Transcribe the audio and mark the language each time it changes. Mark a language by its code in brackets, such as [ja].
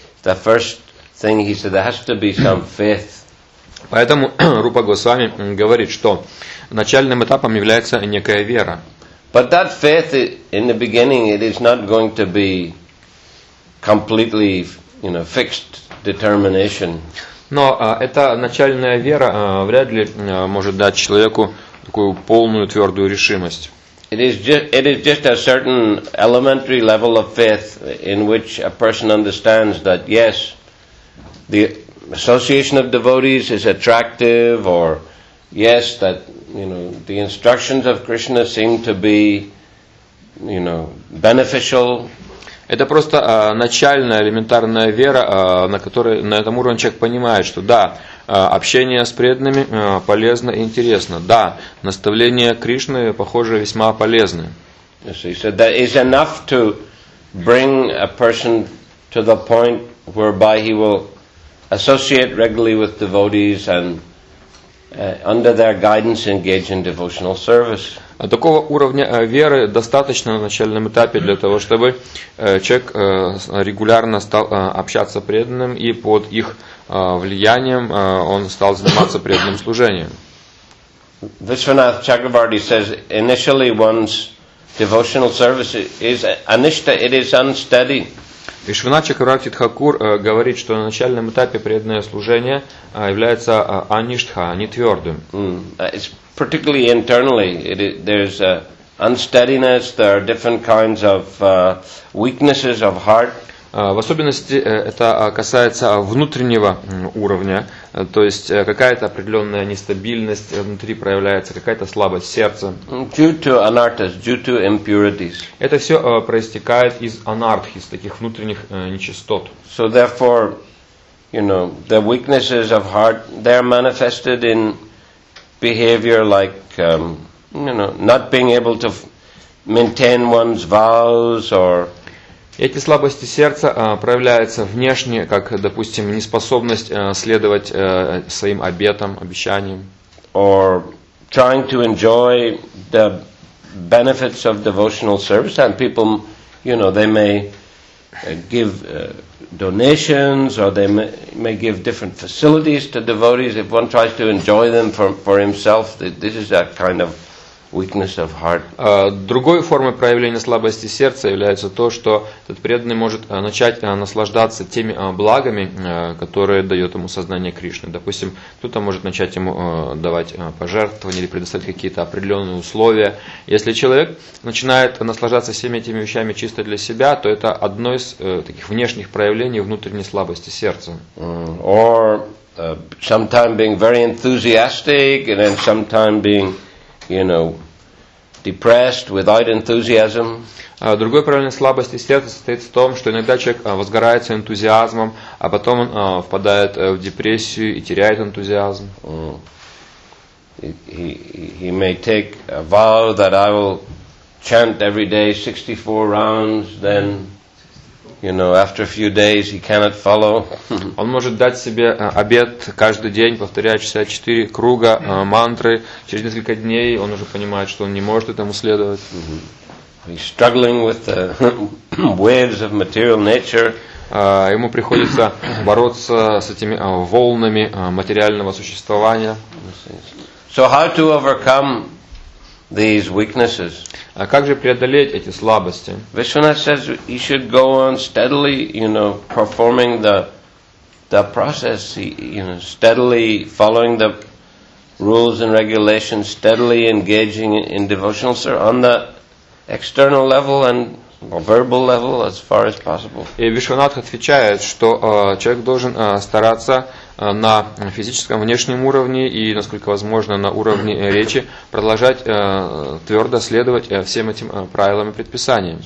[en] The first thing he said, there has to be some faith. [ru] Поэтому Рупа Госвами говорит, что начальным этапом является некая вера. [en] But that faith in the beginning, it is not going to be completely, you know, fixed determination. [ru] Но эта начальная вера вряд ли может дать человеку такую полную твердую решимость. [en] It is just a certain elementary level of faith in which a person understands that yes, the association of devotees is attractive, or yes, that, you know, the instructions of Krishna seem to be, you know, beneficial. [ru] Это просто начальная элементарная вера, на которой на этом уровне человек понимает, что да, общение с преданными полезно и интересно. Да, наставления Кришны, похоже, весьма полезны. [en] So he said that is enough to bring a person to the point whereby he will associate regularly with devotees and under their guidance engage in devotional service. [ru] Такого уровня веры достаточно на начальном этапе для того, чтобы человек регулярно стал общаться с преданным и под их влиянием он стал заниматься преданным служением. [en] Vishwanath Chakravarti says initially one's devotional service is anishta, it is unsteady. [ru] Вишванат Чакраварти Тхакур говорит, что на начальном этапе преданное служение является аништха, нетвердым. [en] It's particularly internally. There's unsteadiness, there are different kinds of weaknesses of heart. [ru] В особенности это касается внутреннего уровня, то есть какая-то определенная нестабильность внутри проявляется, какая-то слабость сердца. [en] Due to anarthas, due to impurities. [ru] Это все проистекает из анартхи, из таких внутренних нечистот. [en] So therefore, you know, the weaknesses of heart, they are manifested in behavior like, you know, not being able to maintain one's vows or... [ru] Эти слабости сердца проявляются внешне, как, допустим, неспособность следовать своим обетам, обещаниям. [en] Or trying to enjoy the benefits of devotional service, and people, you know, they may give donations, or they may give different facilities to devotees. If one tries to enjoy them for himself, this is a kind of weakness of heart. [ru] Другой формой проявления слабости сердца является то, что этот преданный может начать наслаждаться теми благами, которые дает ему сознание Кришны. Допустим, кто-то может начать ему давать пожертвования или предоставить какие-то определенные условия. Если человек начинает наслаждаться всеми этими вещами чисто для себя, то это одно из таких внешних проявлений внутренней слабости сердца. [en] Or sometime being very enthusiastic and then sometime being, you know, depressed without enthusiasm. [ru] Другой проявление слабости сердца состоит в том, что иногда человек возгорается энтузиазмом, а потом он впадает в депрессию и теряет энтузиазм. [en] He may take a vow that I will chant every day 64 rounds, then, you know, after a few days he cannot follow. [ru] Он может дать себе обет каждый день повторять 64 круга мантры. Через несколько дней он уже понимает, что он не может этому следовать. [en] He's struggling with the waves of material nature. [ru] Ему приходится бороться с этими волнами материального существования. [en] So how to overcome these weaknesses? [ru] А как же преодолеть эти слабости? [en] Vishwanath says he should go on steadily, you know, performing the process, you know, steadily following the rules and regulations, steadily engaging in devotional service on the external level and verbal level as far as possible. [ru] И Вишванат отвечает, что человек должен стараться на физическом внешнем уровне и, насколько возможно, на уровне речи продолжать твердо следовать всем этим правилам и предписаниям.